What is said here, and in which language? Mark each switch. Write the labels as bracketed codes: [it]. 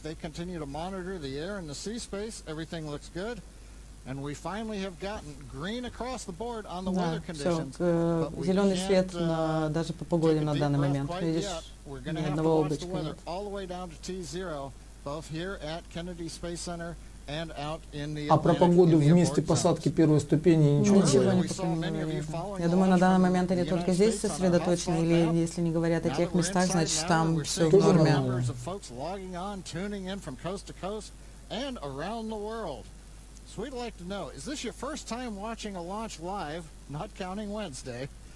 [en] They continue to monitor the air and the sea space. Everything looks good. And we finally have gotten green across the board on the weather conditions. [ru] Зеленый свет даже по погоде на данный момент. [en] We're going to have to watch the weather all the way down to T-zero. Both here at Kennedy Space Center and out in the [ru] А про погоду в месте посадки первой ступени ничего не понимаю. Я думаю, на данный момент они только здесь сосредоточены, или если не говорят о тех местах, значит там все в норме. [en] So we'd like to know, is this your first time watching a launch live, not counting Wednesday?